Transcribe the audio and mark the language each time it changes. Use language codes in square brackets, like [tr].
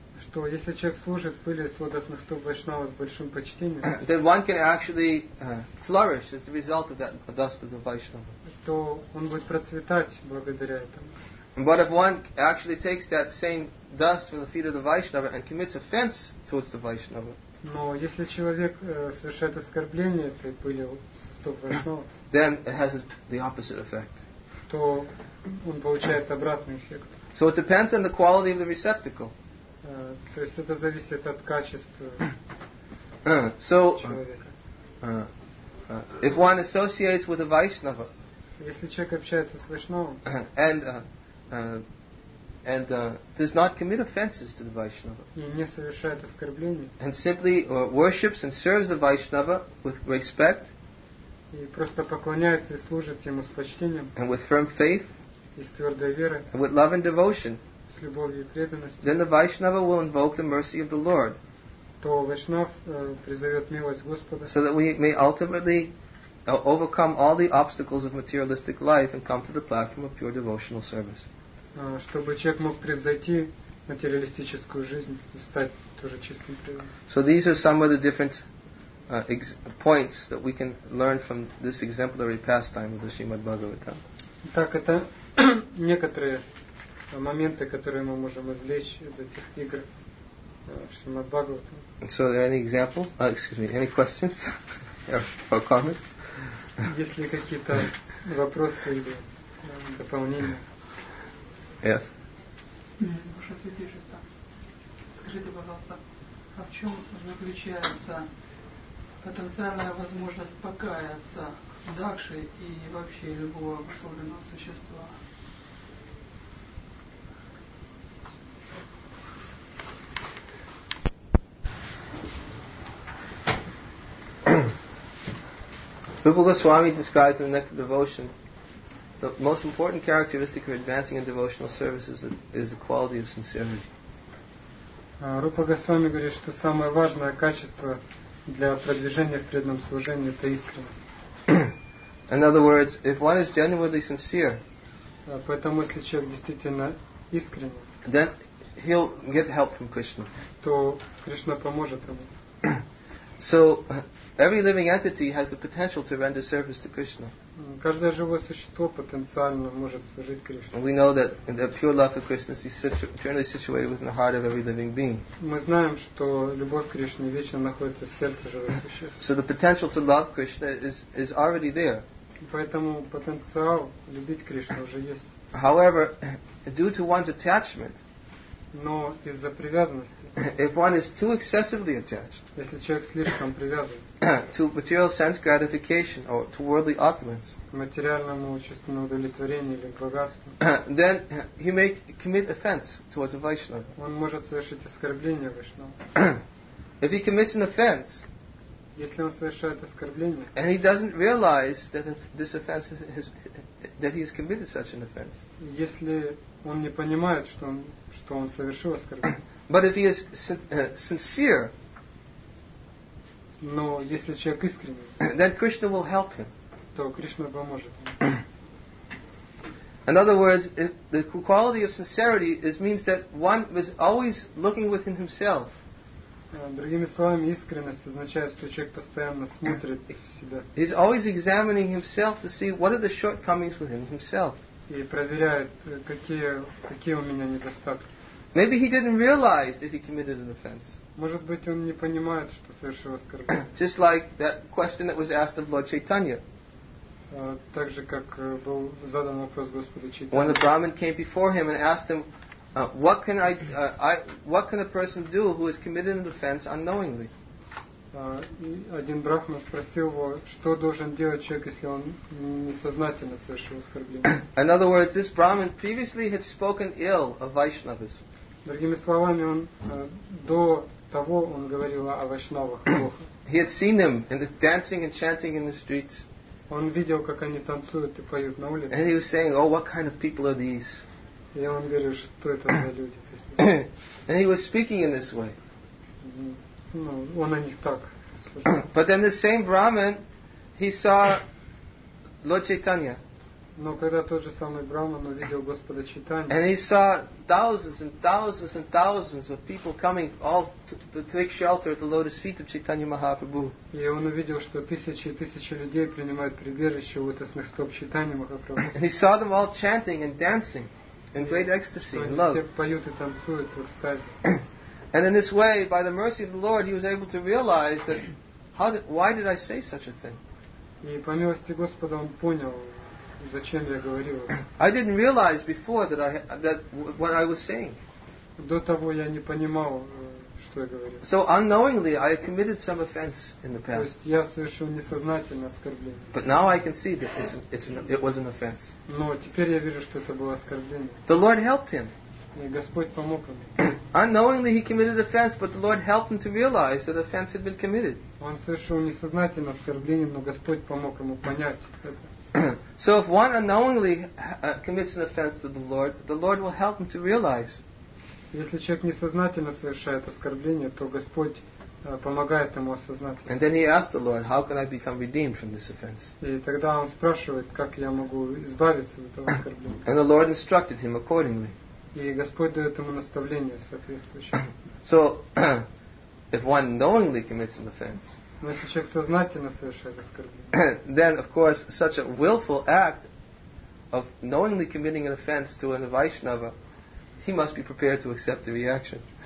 [ru] Что если человек служит пыли с лотосных стоп Вайшнава с большим почтением, [en] then one can actually flourish as a result of that dust of the Vaishnava. [ru] То он будет процветать благодаря этому. [en] But if one actually takes that same dust from the feet of the Vaishnava and commits offense towards the Vaishnava, [ru] но если человек совершает оскорбление этой пыли со стоп Вайшнава, [en] then it has the opposite effect. [ru] То он получает обратный эффект. [en] So it depends on the quality of the receptacle. [ru] То есть это зависит от качества человека. [en] If one associates with a Vaishnava, [ru] если человек общается с Вайшнавом, [en] and does not commit offenses to the Vaishnava, [ru] и не совершает оскорблений, [en] and simply worships and serves the Vaishnava with respect, [ru] и просто поклоняется и служит ему с почтением, [en] and with firm faith, [ru] и с твердой верой, [en] and with love and devotion, [ru] с любовью и преданностью, [en] then the Vaishnava will invoke the mercy of the Lord, [ru] то Вайшнав призовет милость Господа, [en] so that we may ultimately overcome all the obstacles of materialistic life and come to the platform of pure devotional service. [ru] Чтобы человек мог превзойти материалистическую жизнь и стать тоже чистым преданным. [en] So these are some of the different points that we can learn from this exemplary pastime of the Srimad Bhagavatam. [ru] Так это некоторые моменты, которые мы можем извлечь из этих игр Шримад Бхагаватам. [en] So are there any examples? Excuse me, any questions? Or comments? [ru] Есть ли какие-то вопросы или дополнения? [en] Yes. [ru] Ваше святейшество, скажите, пожалуйста, а в чем заключается потенциальная возможность покаяться Дакши и вообще любого обусловленного существа? [en] Rupa Goswami describes in the Nectar Devotion the most important characteristic of advancing in devotional service is the quality of sincerity. [ru] Rupa Goswami говорит, что самое важное качество для продвижения в преданном служении – это искренность. [en] In other words, if one is genuinely sincere, [ru] поэтому если человек действительно искренен, [en] then he'll get help from Krishna. [ru] То Кришна поможет ему. [en] So every living entity has the potential to render service to Krishna. [ru] Каждое живое существо потенциально может служить Кришне. [en] We know that in the pure love of Krishna is generally situated within the heart of every living being. [ru] Мы знаем, что любовь к Кришне вечно находится в сердце живого существа. [en] So the potential to love Krishna is already there. [ru] Поэтому потенциал любить Кришну уже есть. [en] However, due to one's attachment, [ru] но из-за привязанности, [en] if one is too excessively attached, [ru] если человек слишком привязан, [en] to material sense gratification or to worldly opulence, [ru] материальному чувственному удовлетворению или богатству, [en] then he may commit offense towards a Vaishnava. [ru] Он может совершить оскорбление Вайшнаву. [en] If he commits an offense, [ru] если он совершает оскорбление, [en] and he doesn't realize that this offense has, that he has committed such an offense, [ru] если он не понимает, что он совершил оскорбление, [en] but if he is sincere, [ru] но если человек искренний, [en] then Krishna will help him, [ru] то Кришна поможет ему. [en] In other words, the quality of sincerity is means that one is always looking within himself. [ru] Другими словами, искренность означает, что человек постоянно смотрит в себя. [en] He's always examining himself to see what are the shortcomings within himself. [ru] И проверяет, какие у меня недостатки. [en] Maybe he didn't realize that he committed an offense. [ru] Может быть, он не понимает, что совершил оскорбление. [en] Just like that question that was asked of Lord Chaitanya. [ru] Так же, как был задан вопрос Господу Чайтанье. [en] When the Brahmin came before him and asked him, what can a person do who has committed an offense unknowingly? [ru] Один брахман спросил его, что должен делать человек, если он несознательно совершил оскорбление. [en] In other words, this brahmin previously had spoken ill of Vaishnavas. [ru] Другими словами, он до того он говорил о вайшнавах плохо. [en] He had seen them dancing and chanting in the streets. [ru] Он видел, как они танцуют и поют на улице. [en] And he was saying, oh, what kind of people are these? [ru] Я вам говорю, что это за люди. [en] And he was speaking in this way. [ru] Ну, он о них так. [en] But then the same Brahmin, he saw Lord Chaitanya. [ru] Но когда тот же самый Брахман увидел Господа Чайтанью. [en] And he saw thousands and thousands and thousands of people coming all to take shelter at the lotus feet of Chaitanya Mahaprabhu. [ru] И он увидел, что тысячи и тысячи людей принимают прибежище у лотосных стоп Чайтанья Махапрабху. [en] And he saw them all chanting and dancing. In great ecstasy and love. [ru] Поют и танцуют в экстазе. [en] And in this way, by the mercy of the Lord, he was able to realize that why did I say such a thing? [ru] И по милости Господа он понял, зачем я говорил. [en] I didn't realize before that what I was saying. [ru] До того я не понимал, что я говорил. [en] So unknowingly, I committed some offense in the past. [ru] То есть я совершил несознательное оскорбление. [en] But now I can see that it was an offense. [ru] Но теперь я вижу, что это было оскорбление. [en] The Lord helped him. [ru] И Господь помог ему. [en] Unknowingly, he committed offense, but the Lord helped him to realize that offense had been committed. [ru] Он совершил несознательное оскорбление, но Господь помог ему понять это. [en] So if one unknowingly commits an offense to the Lord will help him to realize. [ru] Если человек несознательно совершает оскорбление, то Господь помогает ему осознать. [en] And then he asked the Lord, how can I become redeemed from this offense? [ru] И тогда он спрашивает, как я могу избавиться от этого оскорбления. [en] And the Lord instructed him accordingly. [ru] И Господь дает ему наставление соответствующее. [en] So, if one knowingly commits an offense, [ru] но если человек сознательно совершает оскорбление, [en] then, of course, such a willful act of knowingly committing an offense to a Vaishnava, he must be prepared to accept the reaction.